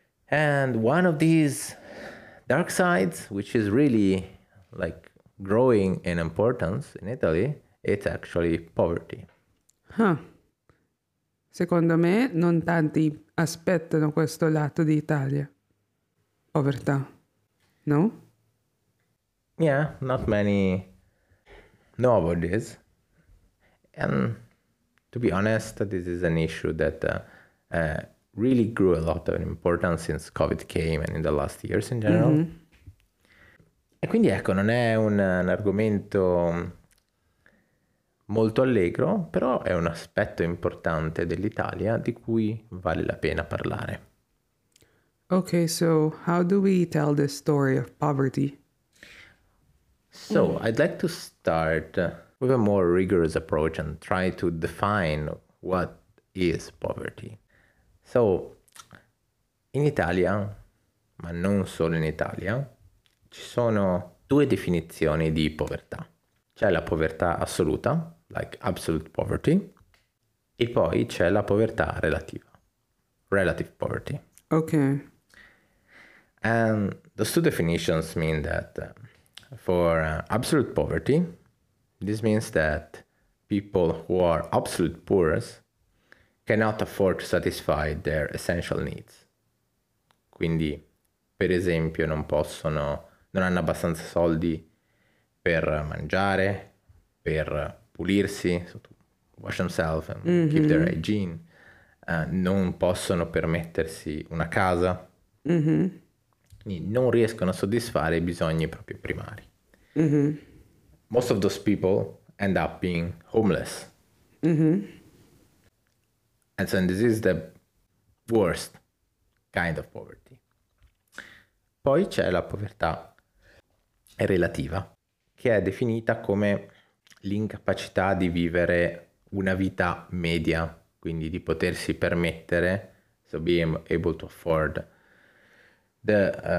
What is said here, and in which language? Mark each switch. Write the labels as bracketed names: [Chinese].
[English] And one of these dark sides, which is really like growing in importance in Italy, it's actually poverty. Huh. [Italian] Secondo me non tanti aspettano questo lato di Italia. Povertà. No? [English] Yeah, not many know about this. And to be honest, this is an issue that really grew a lot of importance since COVID came and in the last years in general. [Italian] Mm-hmm. E quindi ecco, non è un argomento molto allegro, però è un aspetto importante dell'Italia di cui vale la pena parlare. [English] Okay, so how do we tell the story of poverty? So I'd like to start with a more rigorous approach and try to define what is poverty. [Italian] So, in Italia, ma non solo in Italia, ci sono due definizioni di povertà. C'è la povertà assoluta, [English] like absolute poverty, [Italian] e poi c'è la povertà relativa, [English] relative poverty. Okay. And those two definitions mean that for absolute poverty, this means that people who are absolute poorest cannot afford to satisfy their essential needs. [Italian] Quindi, per esempio, non hanno abbastanza soldi per mangiare, per pulirsi, [English] so to wash themselves and mm-hmm. keep their hygiene. [Italian] Non possono permettersi una casa. Mm-hmm. Quindi non riescono a soddisfare i bisogni proprio primari. Mm-hmm. [English] Most of those people end up being homeless. Mm-hmm. And so this is the worst kind of poverty. [Italian] Poi c'è la povertà relativa, che è definita come l'incapacità di vivere una vita media, quindi di potersi permettere, [English] so being able to afford the